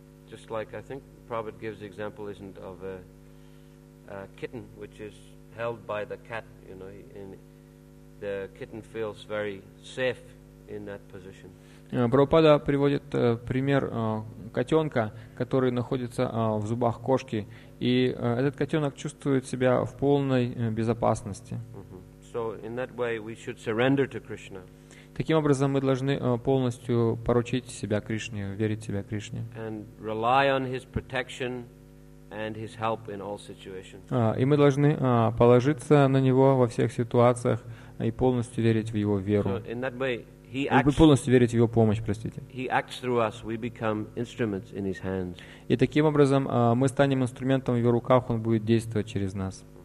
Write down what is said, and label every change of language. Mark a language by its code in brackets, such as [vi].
[en] Just like I think Prabhupada gives the example, isn't it, of a kitten which is held by the cat, you know, and the kitten feels very safe in that position. [ru] Прабхупада приводит пример котенка, который находится в зубах кошки, и этот котенок чувствует себя в полной безопасности. [en] So in that way we should surrender to Krishna. [ru] Таким образом, мы должны полностью поручить себя Кришне, верить себя Кришне. [en] And rely on His protection and His help in all situations. [ru] И мы должны положиться на Него во всех ситуациях и полностью верить в Его веру. [en] So in that way, He acts, [ru] полностью верить в Его помощь, простите. [en] He acts through us. We become instruments in His hands. [ru] И таким образом, мы станем инструментом в Его руках, Он будет действовать через нас.